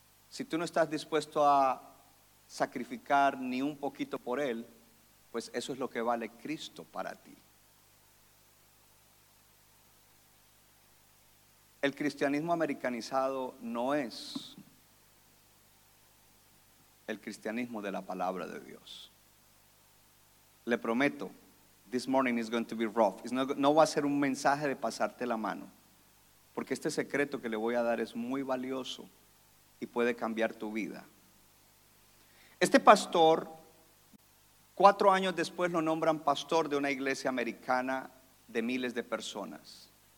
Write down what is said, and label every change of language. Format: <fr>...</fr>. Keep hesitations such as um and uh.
<es>Si tú no estás dispuesto a sacrificar ni un poquito por Él, pues eso es lo que vale Cristo para ti. El cristianismo americanizado no es el cristianismo de la palabra de Dios. Le prometo,</es> <en>this morning is going to be rough. It's not-</en> <es>no va a ser un mensaje de pasarte la mano, porque este secreto que le voy a dar es muy valioso y puede cambiar tu vida. Este pastor Cuatro años después lo nombran pastor de una iglesia americana de miles de personas.</es>